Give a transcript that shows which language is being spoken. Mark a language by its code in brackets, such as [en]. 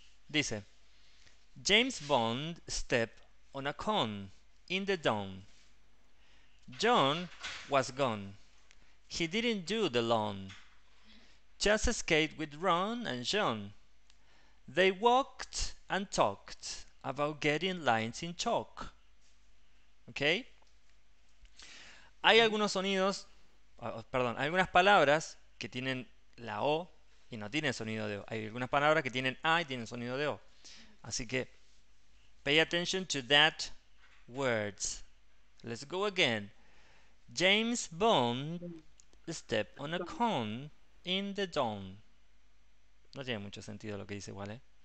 [es] Dice, [en] James Bond stepped on a cone in the dawn. John was gone. He didn't do the lawn. Just skate with Ron and John. They walked and talked about getting lines in chalk. ¿Okay? [es] Hay algunos sonidos, perdón, hay algunas palabras que tienen la O y no tienen sonido de O. Hay algunas palabras que tienen A y tienen sonido de O. Así que, [en] pay attention to that words. Let's go again. James Bond stepped on a cone in the dawn. [es] No tiene mucho sentido lo que dice, ¿vale?